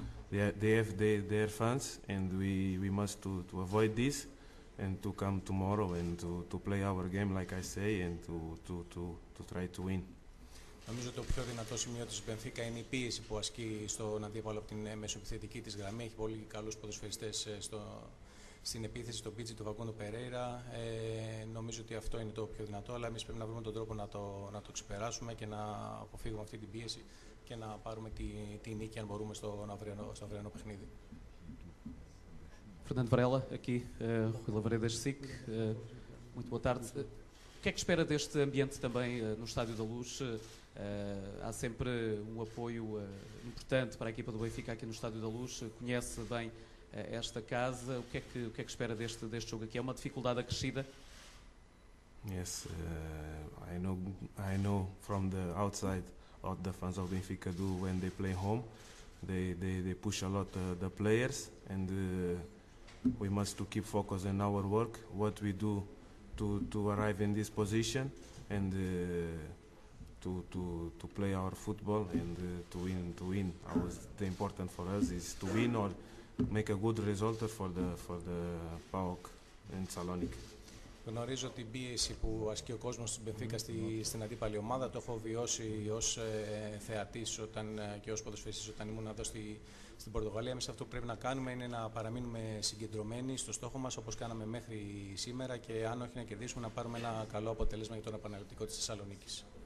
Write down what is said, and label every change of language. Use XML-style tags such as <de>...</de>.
<en>They have their fans, and we must to avoid this and to come tomorrow and to play our game like I say and to try to win.</en> <el>Νομίζω ότι το πιο δυνατό σημείο της Μπενφίκα είναι η πίεση που ασκεί στον αντίπαλο από την μεσοεπιθετική της γραμμή. Έχει πολύ καλούς ποδοσφαιριστές στην επίθεση στον πίτσι του Βαγκόντο Περέιρα. Νομίζω ότι αυτό είναι το πιο δυνατό, αλλά εμείς πρέπει να βρούμε τον τρόπο να το ξεπεράσουμε και να αποφύγουμε αυτή την πίεση και να πάρουμε τη νίκη, αν μπορούμε, στο αυριανό παιχνίδι.</el> <pt>Fernando Varela, aqui, Rui Lavareda, SIC. Muito boa tarde. O que é que espera deste ambiente também no Estádio da Luz? Há sempre um apoio importante para a equipa do Benfica aqui no Estádio da Luz. Conhece bem esta casa. O que é que espera deste jogo aqui? É uma dificuldade acrescida?</pt> <en>Yes, I know from the outside of the fans of Benfica do when they play home. They push a lot the players and we must to keep focus on our work, what we do to arrive in this position and to play our football and to win. The important for us is to win or make a good result for the PAOK and Salonik.</en> <el>Γνωρίζω την πίεση που ασκεί ο κόσμος της Μπενφίκα στην αντίπαλη ομάδα. Το έχω βιώσει ως θεατής και ως ποδοσφαιριστής όταν ήμουν εδώ στην Πορτογαλία. Εμείς αυτό που πρέπει να κάνουμε είναι να παραμείνουμε συγκεντρωμένοι στο στόχο μας, όπως κάναμε μέχρι σήμερα, και αν όχι να κερδίσουμε, να πάρουμε ένα καλό αποτέλεσμα για τον επαναληπτικό της Θεσσαλονίκης.</el>